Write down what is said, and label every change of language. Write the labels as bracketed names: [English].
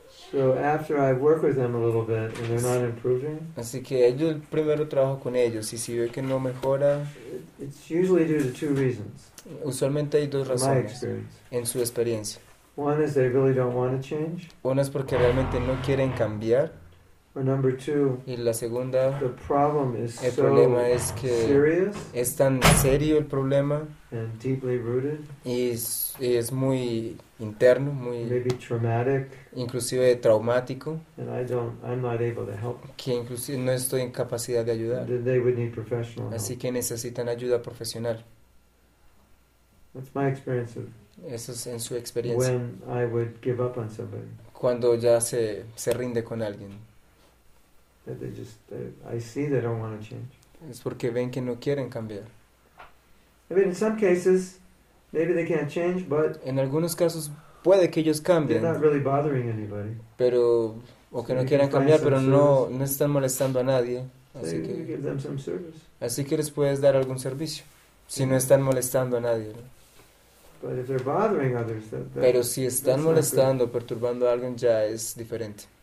[English] So after I work with them a little bit and they're not improving. [Spanish] Así que yo primero trabajo con ellos y si veo que no mejora. [English] It's usually due to two reasons. [Spanish] Usualmente hay dos razones en su experiencia. [English] One is they really don't want to change. [Spanish] Una es porque realmente no quieren cambiar. [English] Or number two, [Spanish] y la segunda, [English] the problem is [Spanish] el problema [English] so [Spanish] es que [English] serious, [Spanish] es tan serio el problema [English] and deeply rooted, [Spanish] y es muy interno, muy [English] maybe traumatic, [Spanish] inclusive traumático, [English] and I don't, I'm not able to help, [Spanish] que inclusive no estoy en capacidad de ayudar. [English] Then they would need professional [Spanish] así [English] help. [Spanish] Que necesitan ayuda profesional. [English] That's my experience of [Spanish] eso es en su experiencia. [English] When I would give up on somebody. [Spanish] Cuando ya se rinde con alguien. [English] That they just, I see they don't want to change. [Spanish] Es porque ven que no quieren cambiar. [English] I mean, in some cases, maybe they can't change, but [Spanish] en algunos casos puede que ellos cambien. [English] They're not really bothering anybody. [Spanish] Pero o que [English] so [Spanish] no quieran cambiar, pero no están molestando a nadie. [English] So [Spanish] así que [English] give them some service. [Spanish] Así que les puedes dar algún servicio. Si no están molestando a nadie, ¿no? [English] But if they're bothering others, that, [Spanish] pero si están molestando, perturbando a alguien, ya es diferente.